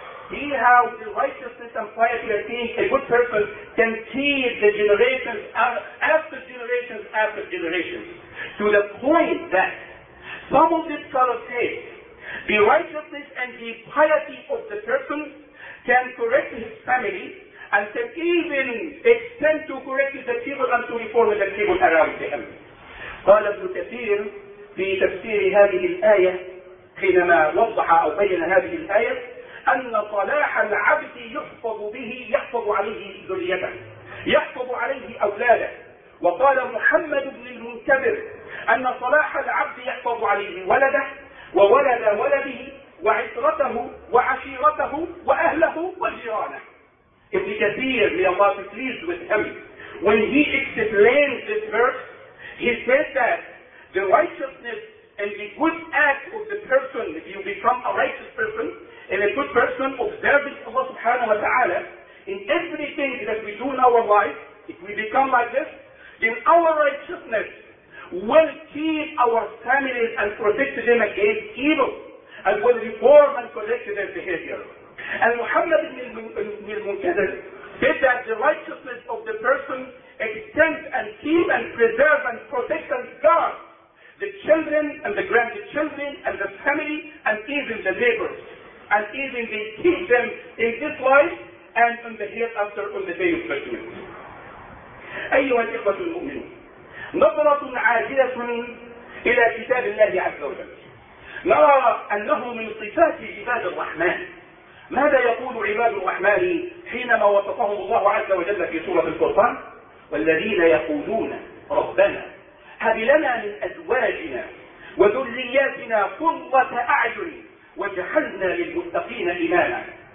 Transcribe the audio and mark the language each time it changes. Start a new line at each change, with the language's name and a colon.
English: He has the righteousness and piety of being a good person can keep the generations after generations after generations. To the point that some of these scholars say the righteousness and the piety of the person can correct his family and can even extend to correct the people and to reform the people around him.
Arabic: قال ابن كثير في تفسير هذه الآية حينما وضح أو بين هذه الآية أن صلاح العبد يحفظ به يحفظ عليه ذريته يحفظ عليه أولاده. وقال محمد بن المنكبر أن صلاح العبد يحفظ عليه ولده وولد ولده وعشيرته وأهله وجيرانه. ابن كثير من الله coming.
English: When he explains this verse, he says that the righteousness and the good act of the person, if you become a righteous person and a good person observing Allah subhanahu wa ta'ala, in everything that we do in our life, if we become like this, then our righteousness will keep our families and protect them against evil, and will reform and correct their behavior. And Muhammad ibn al-Munkadir said that the righteousness of the person extends and keep and preserve and protect and guard the children and the grandchildren and the family and even the neighbors. And even they keep them in this life and in the hereafter on the day of judgment.
Arabic: أيها الإخوة المؤمنون نظرة عاجلة إلى كتاب الله عز وجل نرى أنه من صفات عباد الرحمن ماذا يقول عباد الرحمن حينما وصفهم الله عز وجل في سورة الفرقان والذين يقولون ربنا هب لنا من أزواجنا وذرياتنا قرة أعين واجعلنا للمتقين إماما